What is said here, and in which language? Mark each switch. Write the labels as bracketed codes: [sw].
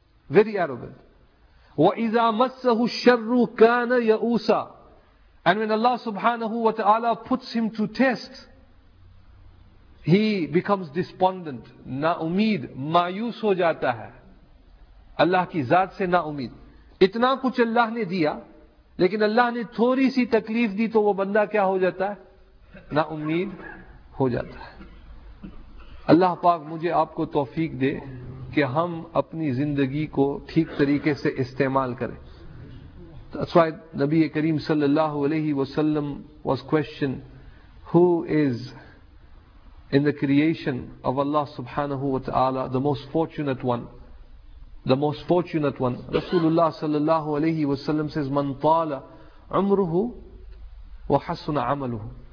[en] Very arrogant. [ar] وَإِذَا مَسَّهُ الشَّرُّ كَانَ يَأُوسَ. [en] And when Allah subhanahu wa ta'ala puts him to test, he becomes despondent. [ur] نَاُمِيد. مَايُوس ہو جاتا ہے. Allah ki zaat se نَاُمِيد. اتنا کچھ Allah نے دیا, لیکن اللہ نے تھوڑی سی تکلیف دی تو وہ بندہ کیا ہو جاتا ہے؟ نا امید ہو جاتا ہے. اللہ پاک مجھے آپ کو توفیق دے کہ ہم اپنی زندگی کو ٹھیک طریقے سے استعمال کریں. [en] That's why نبی کریم صلی اللہ علیہ وسلم was questioned, who is in the creation of Allah subhanahu wa ta'ala the most fortunate one? The most fortunate one. Rasulullah sallallahu alayhi wa sallam says, [ar] Man tala umruhu wa hasuna amaluhu.